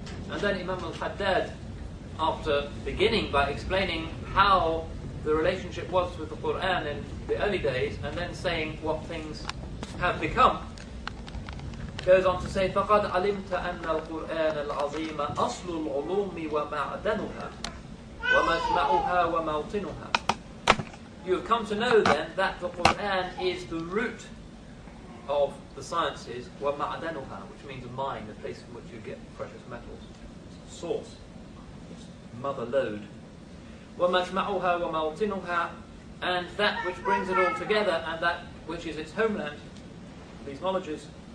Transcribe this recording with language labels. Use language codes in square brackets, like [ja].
[en] And then Imam al-Haddad, after beginning by explaining how the relationship was with the Qur'an in the early days, and then saying what things have become, goes on to say, [ar] فَقَدْ عَلِمْتَ أَنَّ الْقُرْآنَ الْعَظِيمَ أَصْلُ الْعُلُومِ وَمَعْدَنُهَا وَمَجْمَعُهَا وَمَوْطِنُهَا. [en] You have come to know then that the Qur'an is the root of the sciences, وَمَعْدَنُهَا, which means a mine, a place from which you get precious metals. It's source, it's mother load. [ar] وَمَجْمَعُهَا وَمَوْطِنُهَا, [en] and that which brings it all together, and that which is its homeland, these knowledges.